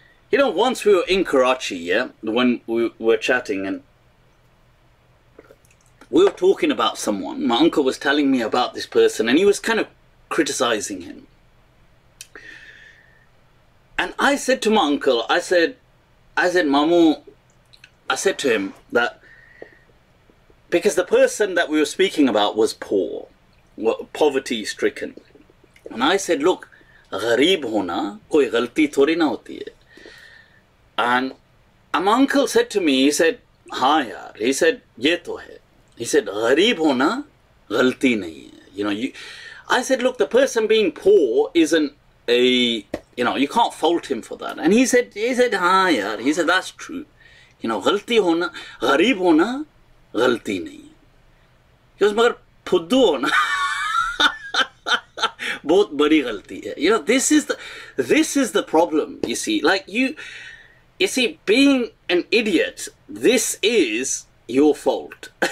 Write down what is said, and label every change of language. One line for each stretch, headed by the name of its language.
English: You know, once we were in Karachi, yeah, when we were chatting and we were talking about someone, my uncle was telling me about this person and he was kind of criticizing him. And I said to my uncle, I said, Mamu, I said to him that because the person that we were speaking about was poor, poverty stricken. And I said, look,
Urdu: غریب ہونا، کوئی غلطی تھوڑی نہ ہوتی ہے۔
English: And my uncle said to me, he said,
Urdu: ہاں یار،
English: he said,
Urdu: یہ تو ہے۔
English: He said,
Urdu: غریب ہونا، غلطی نہیں ہے۔
English: You know, I said, look, the person being poor isn't a, you know, you can't fault him for that. And he said,
Urdu: haan yaar,
English: he said, that's true. You know,
Urdu: غلطی ہونا، غریب ہونا، غلطی نہیں ہے۔
English: He goes,
Urdu: مگر پڈو ہونا، بہت بڑی غلطی ہے۔
English: You know, this is the problem, you see. Like, you see, being an idiot, this is your fault.